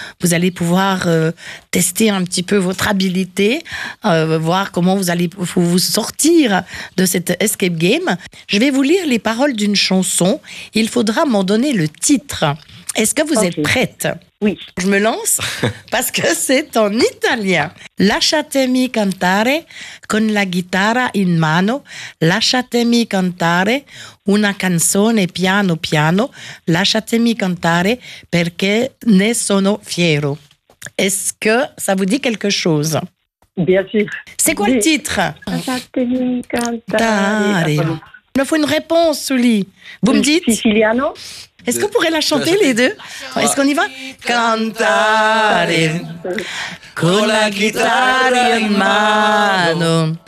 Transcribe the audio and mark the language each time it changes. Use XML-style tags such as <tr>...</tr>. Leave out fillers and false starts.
<fr>Vous allez pouvoir tester un petit peu votre habileté, voir comment vous allez vous sortir de cette escape game. Je vais vous lire les paroles d'une chanson. Il faudra m'en donner le titre. Est-ce que vous êtes prête? Oui. Je me lance parce que c'est en italien.</fr> <it>Lasciatemi cantare con la guitarra in mano. Lasciatemi cantare una canzone piano piano. Lasciatemi cantare perché ne sono fiero.</it> <fr>Est-ce que ça vous dit quelque chose? Bien sûr. C'est quoi le titre?</fr> <it>Lasciatemi cantare.</it> <fr>Il me faut une réponse, Souli. Vous me dites?</fr> <it>Siciliano.</it> <fr>Est-ce qu'on pourrait la chanter, les deux? Est-ce qu'on y va?</fr> <it>Cantare con la guitarra in mano.</it>